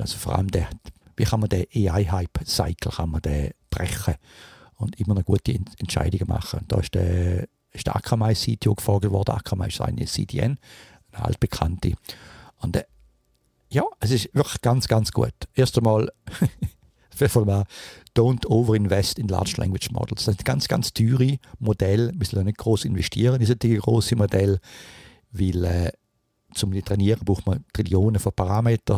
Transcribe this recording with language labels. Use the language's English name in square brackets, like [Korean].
[German] Also vor allem, wie kann man den AI Hype Cycle brechen und immer noch gute Entscheidungen machen. Und da ist der ist der Ackermeister-CTO gefragt worden. Ackermeister ist eine CDN, eine altbekannte. Und ja, es ist wirklich ganz, ganz gut. Erst einmal, [English] don't overinvest in large language models. [German] Das sind ganz, ganz teure Modelle. Wir müssen nicht gross investieren in solche grossen Modelle, weil zum Trainieren braucht man Trillionen von Parametern.